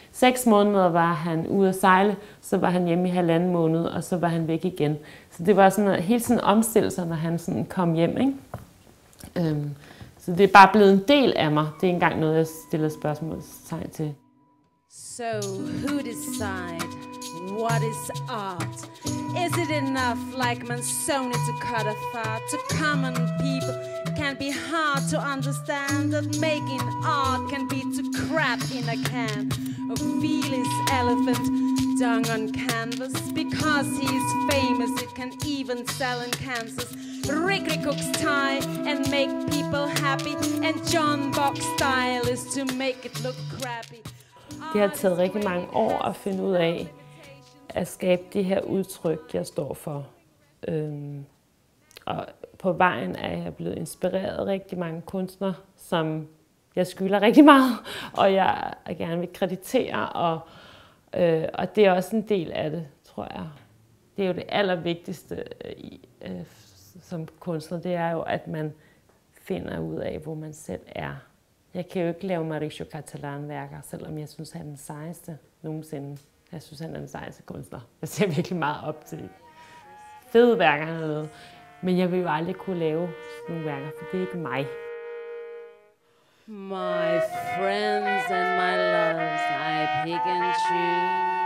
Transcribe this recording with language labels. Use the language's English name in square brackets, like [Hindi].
[Danish] 6 måneder var han ude at sejle, så var han hjemme i 1,5 måned, og så var han væk igen. Så det var sådan hele sådan omstillelser, når han sådan kom hjem, ikke? Så det er bare blevet en del af mig. Det er ikke engang noget, jeg stiller spørgsmålstegn til. [English] So, who decide? What is art? Is it enough, like Manzoni, to cut a fart? To common people, can be hard to understand that making art can be to crap in a can. A feelings elephant, dung on canvas. Because he is famous, it can even sell in Kansas. Rickry cooks time and make people happy. And John Box style is to make it look crappy. [Danish] Det har taget rigtig mange år at finde ud af at skabe det her udtryk, jeg står for. Og på vejen er jeg blevet inspireret af rigtig mange kunstnere, som jeg skylder rigtig meget, og jeg gerne vil kreditere. Og det er også en del af det, tror jeg. Det er jo det allervigtigste som kunstner, det er jo, at man finder ud af, hvor man selv er. Jeg kan jo ikke lave Mauricio Catalan-værker, selvom jeg synes, han er den sejeste nogensinde. Jeg synes, han er den sejeste kunstner. Jeg ser virkelig meget op til fede værker, han har lavet. Men jeg vil jo aldrig kunne lave sådan nogle værker, for det er ikke mig. [English] My friends and my loves, I pick and choose.